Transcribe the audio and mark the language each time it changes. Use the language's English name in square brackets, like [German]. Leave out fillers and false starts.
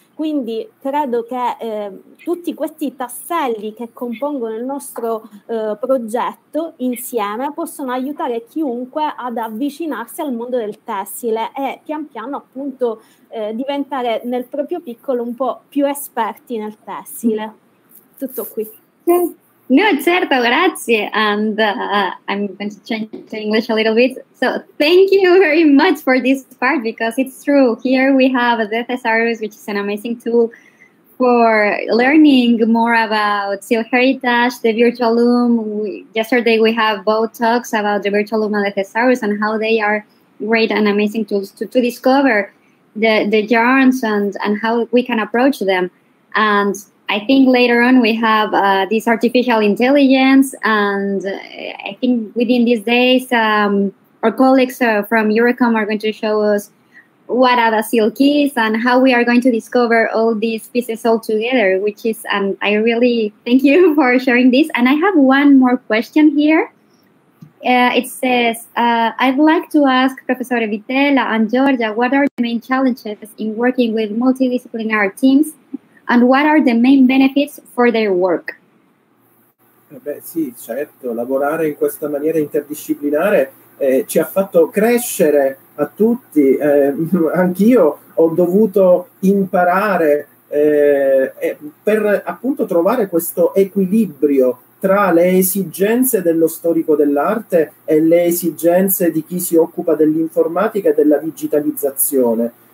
[Italian] Quindi credo che tutti questi tasselli che compongono il nostro progetto insieme possono aiutare chiunque ad avvicinarsi al mondo del tessile e pian piano appunto diventare nel proprio piccolo un po' più esperti nel tessile. Tutto qui. No, certo, grazie. [English] And I'm going to change to English a little bit. So thank you very much for this part, because it's true. Here we have the thesaurus, which is an amazing tool for learning more about seal heritage, the virtual loom. Yesterday we have both talks about the virtual loom and the thesaurus and how they are great and amazing tools to discover the yarns and how we can approach them. And I think later on we have this artificial intelligence, and I think within these days our colleagues from Eurocom are going to show us what are the silk is and how we are going to discover all these pieces all together, which is, and I really thank you for sharing this. And I have one more question here. It says, I'd like to ask Professor Vitella and Georgia, what are the main challenges in working with multidisciplinary teams, and what are the main benefits for their work? [Italian] Beh, sì, certo, lavorare in questa maniera interdisciplinare ci ha fatto crescere a tutti. Anch'io ho dovuto imparare per appunto trovare questo equilibrio tra le esigenze dello storico dell'arte e le esigenze di chi si occupa dell'informatica e della digitalizzazione.